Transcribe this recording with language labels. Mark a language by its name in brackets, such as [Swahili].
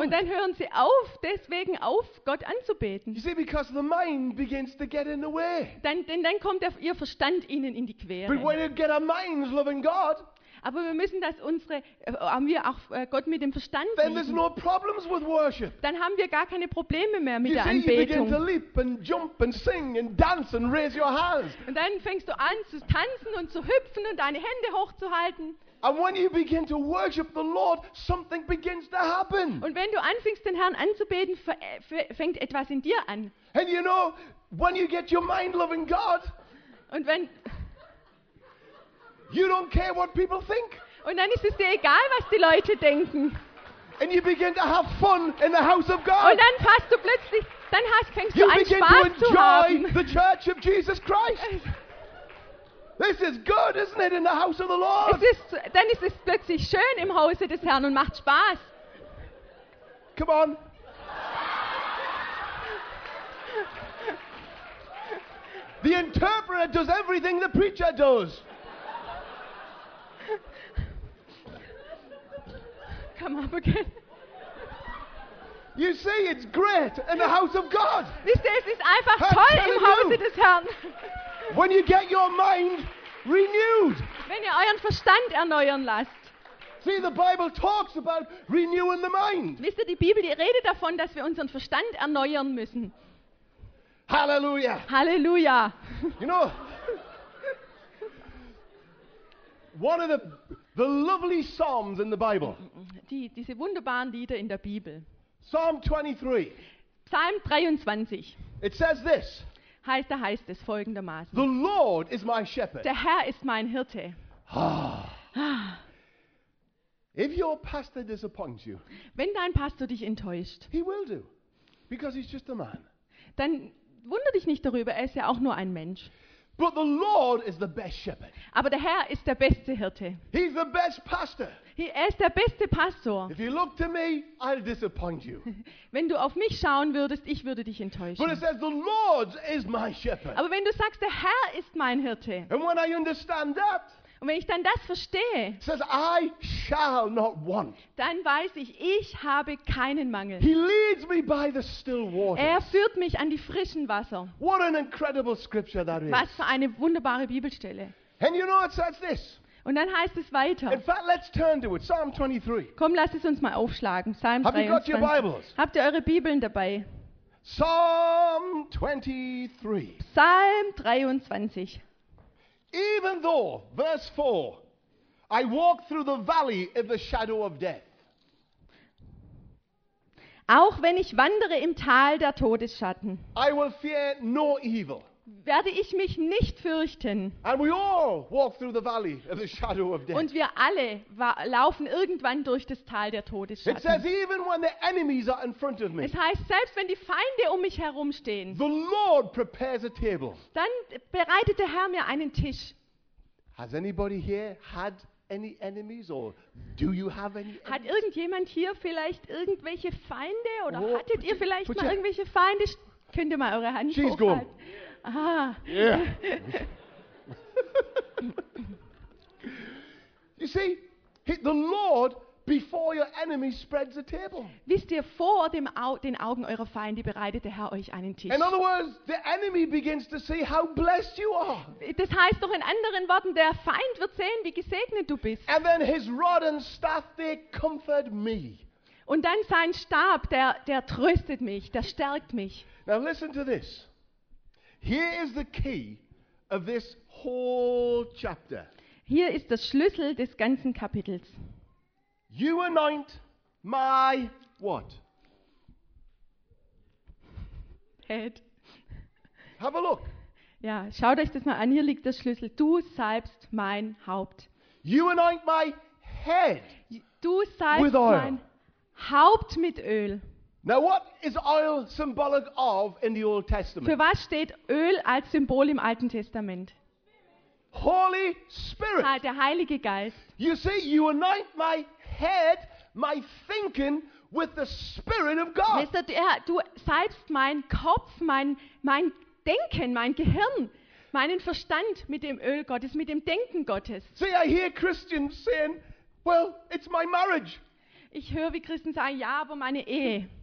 [German] Und dann hören sie auf, deswegen auf, Gott anzubeten. [English] You see, because the mind begins to get in the way. [German] Dann kommt ihr Verstand ihnen in die Quere. [English] But when you get our minds loving God, [German] aber wir müssen, dass unsere, haben wir auch Gott mit dem Verstand [English] then there's no problems with worship. [German] Dann haben wir gar keine Probleme mehr mit [English] you [German] der [English] see, [German] Anbetung. [English] You begin to leap and jump and sing and dance and raise your hands. [German] Und dann fängst du an zu tanzen und zu hüpfen und deine Hände hochzuhalten. [English] And when you begin to worship the Lord, something begins to happen. [German] Und wenn du anfängst, den Herrn anzubeten, fängt etwas in dir an. [English] And you know, when you get your mind loving God, [German] und wenn [English] you don't care what people think. [German] Und dann ist es dir egal, was die Leute denken. [English] And you begin to have fun in the house of God. [German] Und dann fängst du plötzlich, dann fängst du an, Spaß zu haben. [English] You begin to enjoy the church of Jesus Christ. This is good, isn't it, in the house of the Lord? [German] Dann ist es plötzlich schön im Hause des Herrn und macht Spaß. [English] Come on. The interpreter does everything the preacher does. Come up again. You see, it's great in the house of God. [German] Wisst ihr, es ist einfach toll im Hause des Herrn. [English] When you get your mind renewed. [German] Wenn ihr euren Verstand erneuern lasst. [English] See, the Bible talks about renewing the mind. [German] Wisst ihr, die Bibel, die redet davon, dass wir unseren Verstand erneuern müssen. Halleluja. Halleluja. [English] You know, one of the lovely psalms in the Bible. [German] Diese wunderbaren Lieder in der Bibel. [English] Psalm 23. [German] Psalm 23. [English] It says this. [German] Heißt es folgendermaßen. [English] The Lord is my shepherd. [German] Der Herr ist mein Hirte. [English] If your pastor disappoints you, [German] wenn dein Pastor dich enttäuscht, [English] he will do, because he's just a man. [German] Dann wundere dich nicht darüber, er ist ja auch nur ein Mensch. [English] But the Lord is the best shepherd. [German] Aber der Herr ist der beste Hirte. [English] He's the best pastor. [German] Er ist der beste Pastor. [English] If you look to me, I'll disappoint you. [German] Wenn du auf mich schauen würdest, ich würde dich enttäuschen. [English] But it says, the Lord is my shepherd. [German] Aber wenn du sagst, der Herr ist mein Hirte. [English] And when I understand that, [German] und wenn ich dann das verstehe, [English] it says, I shall not want. [German] Dann weiß ich, ich habe keinen Mangel. [English] He leads me by the still waters. [German] Er führt mich an die frischen Wasser. [English] What an incredible scripture that is. [German] Was für eine wunderbare Bibelstelle. [English] And you know, it says this. [German] Und dann heißt es weiter. [English] In fact, let's turn to it. Psalm 23. [German] Komm, lass es uns mal aufschlagen. Psalm [English] 23. Have you got your Bibles? [German] Habt ihr eure Bibeln dabei? [English] Psalm 23. [German] Psalm 23. [English] Even though, verse 4, I walk through the valley of the shadow of death. [German] Auch wenn ich wandere im Tal der Todesschatten. [English] I will fear no evil. [German] Werde ich mich nicht fürchten. [English] And we all walk through the valley of the shadow of death. [German] Und wir alle laufen irgendwann durch das Tal der Todesschatten. [English] It says, even when the enemies are in front of me. [German] Es heißt, selbst wenn die Feinde um mich herumstehen. [English] The Lord prepares a table. [German] Dann bereitet der Herr mir einen Tisch. [English] Has anybody here had any enemies or do you have any enemies? [German] Hat irgendjemand hier vielleicht irgendwelche Feinde oder oh, hattet ihr vielleicht mal irgendwelche Feinde? Könnt ihr mal eure Hand [English] she's [German] hochhalten? [English] Gone. Ah. Yeah. You see, the Lord before your enemy spreads a table. [German] Wisst ihr, vor dem den Augen eurer Feinde bereitet der Herr euch einen Tisch. [English] In other words, the enemy begins to see how blessed you are. [German] Das heißt doch in anderen Worten, der Feind wird sehen, wie gesegnet du bist. [English] And then his rod and staff, they comfort me. [German] Und dann sein Stab, der tröstet mich, der stärkt mich. [English] Now listen to this. Here is the key of this whole chapter. [German] Hier ist der Schlüssel des ganzen Kapitels. [English] You anoint my what? Head. Have a look. [German] Ja, schaut euch das mal an. Hier liegt der Schlüssel. Du salbst mein Haupt. [English] You anoint my head. [German] Du salbst mein Haupt mit Öl. [English] Now what is oil symbolic of in the Old Testament? [German] Für was steht Öl als Symbol im Alten Testament? [English] Holy Spirit. [German] Der Heilige Geist. [English] You see, you anoint my head, my thinking with the Spirit of God. [German] Du salbst mein Kopf, mein Denken, mein Gehirn, meinen Verstand mit dem Öl Gottes, mit dem Denken Gottes. [English] See, I hear Christians saying, well, it's my marriage. [German] Ich höre, wie Christen sagen, ja, aber meine Ehe.